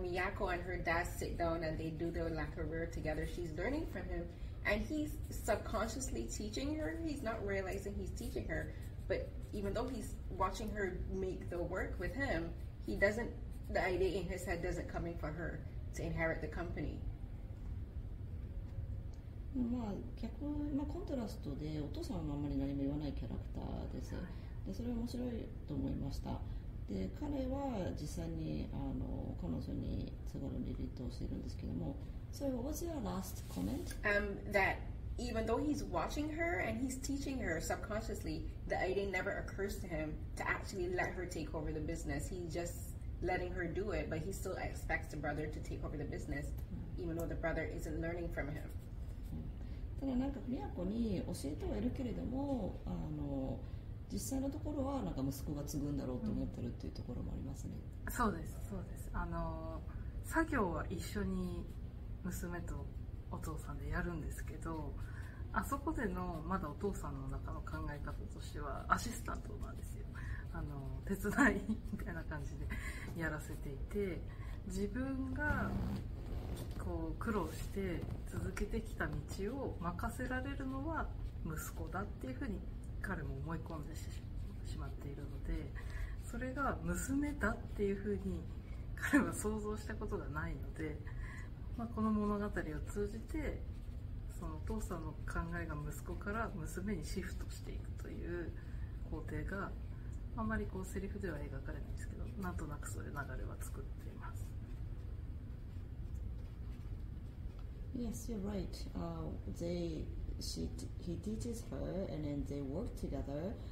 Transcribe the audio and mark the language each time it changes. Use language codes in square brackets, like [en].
[en] Miyako and her dad sit down and they do their career together. She's learning from him and he's subconsciously teaching her. He's not realizing he's teaching her, but even though he's watching her make the work with him, he doesn't, the idea in his head doesn't come in for her to inherit the company. [ja] まあ逆まあ、コントラストでお父さんはあんまり何も言わないキャラクターです。でそれは面白いと思いました。で彼は実際にあの彼女に津軽にリリートをしているんですけども、 [en] So what was your last comment? That even though he's watching her and he's teaching her subconsciously, the idea never occurs to him to actually let her take over the business. He's just letting her do it, but he still expects the brother to take over the business even though the brother isn't learning from him [ja] ただなんか宮子に教えてはいるけれども、あの実際のところはなんか息子が継ぐんだろうと思ってるっていうところもありますね、うん、そうですそうです、あの作業は一緒に娘とお父さんでやるんですけど、あそこでのまだお父さんの中の考え方としてはアシスタントなんですよ、あの手伝いみたいな感じでやらせていて、自分がこう苦労して続けてきた道を任せられるのは息子だっていうふうに彼も思い込んでしまっているので、それが娘だっていうふうに彼は想像したことがないので、まあ、この物語を通じてそのお父さんの考えが息子から娘にシフトしていくという工程があまりこうセリフでは描かれないんですけど、なんとなくそういう流れは作っています。 [en] Yes, you're right. He teaches her and then they work together.